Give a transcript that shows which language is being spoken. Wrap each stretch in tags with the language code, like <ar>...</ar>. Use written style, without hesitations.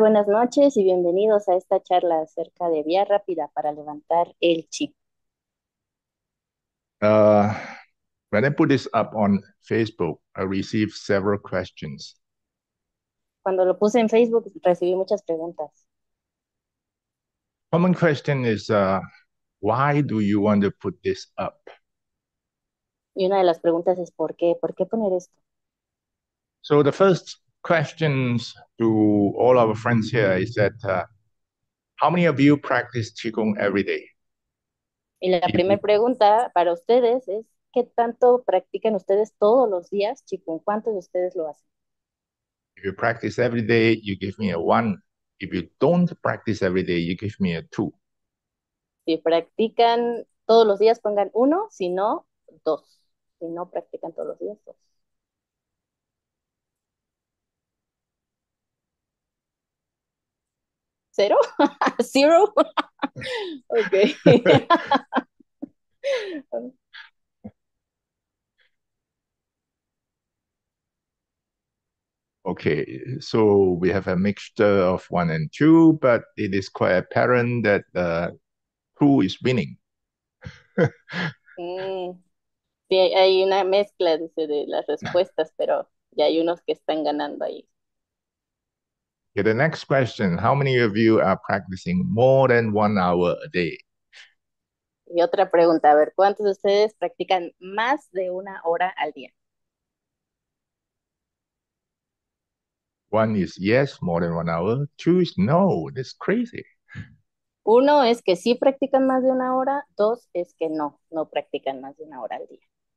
<es>Buenas noches y bienvenidos a esta charla acerca de vía rápida para levantar el chip.</es> <en>When I put this up on Facebook, I received several questions.</en> <es>Cuando lo puse en Facebook, recibí muchas preguntas.</es> <en>Common question is, why do you want to put this up?</en> <es>Y una de las preguntas es ¿por qué? ¿Por qué poner esto?</es> <en>So the first questions to all our friends here is that how many of you practice Qigong every day?</en> <es>Y la</es> <en>If</en> <es>primera pregunta para ustedes es ¿qué tanto practican ustedes todos los días, chicos? ¿Cuántos de ustedes lo hacen?</es> <en>you practice every day, you give me a one. If you don't practice every day, you give me a two.</en> <es>Si practican todos los días, pongan uno, si no, dos. Si no practican todos los días, dos. ¿Cero? ¿Zero? Okay.</es> <en>Okay, so we have a mixture of one and two, but it is quite apparent that two is winning.</en> <es>Sí, hay una mezcla, dice, de las respuestas, pero ya hay unos que están ganando ahí.</es> <en>The next question, how many of you are practicing more than 1 hour a day?</en> <es>Y otra pregunta, a ver, ¿cuántos de ustedes practican más de 1 hora al día?</es> <en>One is yes, more than 1 hour. Two is no. That's crazy.</en> <es>Uno es que sí practican más de 1 hora, dos es que no, no practican más de 1 hora al día.</es>